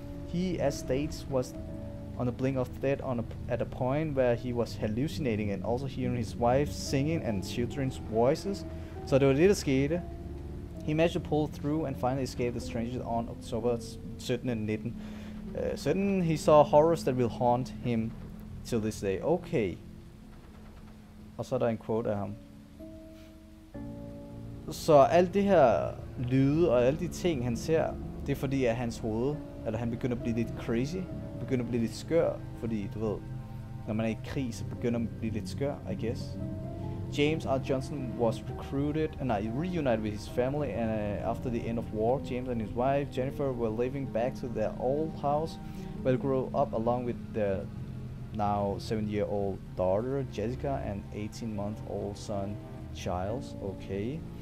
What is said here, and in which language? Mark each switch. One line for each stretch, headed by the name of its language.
English: He, as states, was on the brink of death at a point where he was hallucinating and also hearing his wife singing and children's voices. So
Danish: det var det, der skete.
English: He managed to pull through and finally escape the trenches on October 17 and 19. Certain he saw horrors that will haunt him till this day.
Danish: Okay. Og så er der en quote af ham. Så alt det her lyde og alle de ting, han ser, det er fordi, at hans hoved, eller han begynder at blive lidt crazy, begynder at blive lidt skør, fordi du ved, når man er i krig, så begynder man at blive lidt skør,
English: I guess. James R. Johnson was recruited, and I reunited with his family, and after the end of war, James and his wife, Jennifer, were living back to their old house, where they grew up along with their now 7-year-old daughter, Jessica, and 18-month-old son, Charles, okay.